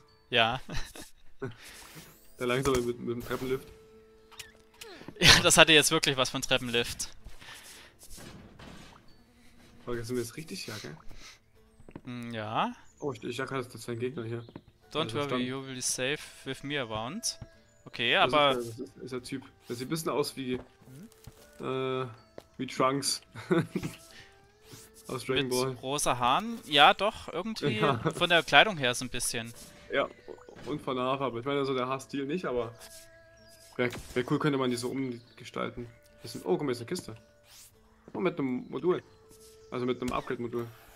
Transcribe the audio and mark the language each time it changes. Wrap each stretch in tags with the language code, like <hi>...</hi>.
<de>Ja. Der langsam mit dem Treppenlift. Ja, das hatte jetzt wirklich was von Treppenlift. Vergessen wir jetzt richtig, ja, gell? Ja. Oh, ich dachte, das ist ein Gegner hier.</de> <en>Don't worry, stand. You will be safe with me around.</en> <de>Okay, das aber. Ist der Typ. Das sieht ein bisschen aus wie. Wie Trunks. Aus Dragon Ball. Rosa Haaren? Ja, doch, irgendwie. Ja. Von der Kleidung her so ein bisschen. Ja, und von der Haarfarbe. Ich meine, also der Haarstil nicht, aber. Wär cool, könnte man die so umgestalten. Oh, guck mal, ist eine Kiste. Oh, mit einem Modul. Also mit einem Upgrade-Modul.</de>